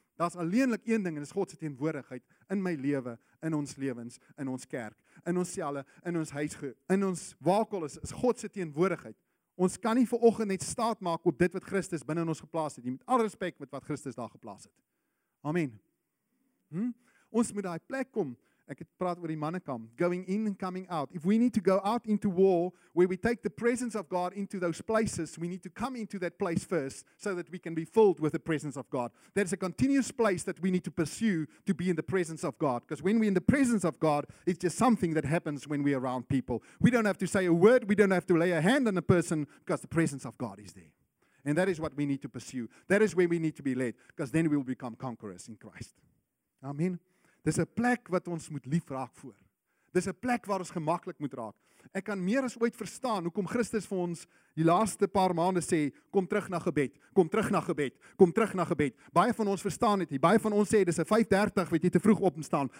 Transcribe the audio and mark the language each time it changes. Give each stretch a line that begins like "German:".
Afrikaans: Daar's alleenlik een ding en dis God se teenwoordigheid in my lewe, in ons lewens, in ons kerk, in ons selle, in ons huis, in ons waakel is God se teenwoordigheid. Ons kan nie vanoggend net staat maak op dit wat Christus binne in ons geplaas het nie, met al respek met wat Christus daar geplaas het. Amen. Ons moet daai plek kom. Ek het praat oor die mannekamp,
English: going in and coming out. If we need to go out into war where we take the presence of God into those places, we need to come into that place first so that we can be filled with the presence of God. There's a continuous place that we need to pursue to be in the presence of God. Because when we're in the presence of God, it's just something that happens when we're around people. We don't have to say a word, we don't have to lay a hand on a person because the presence of God is there. And that is what we need to pursue. That is where we need to be led because then we will become conquerors in Christ. Amen.
Afrikaans: Dis 'n plek wat ons moet lief raak voor. Dis 'n plek waar ons gemaklik moet raak. Ek kan meer as ooit verstaan hoekom Christus vir ons die laaste paar maande sê, kom terug na gebed, kom terug na gebed, kom terug na gebed. Baie van ons verstaan dit nie. Baie van ons sê, dis 'n 5:30, weet jy, te vroeg op staan.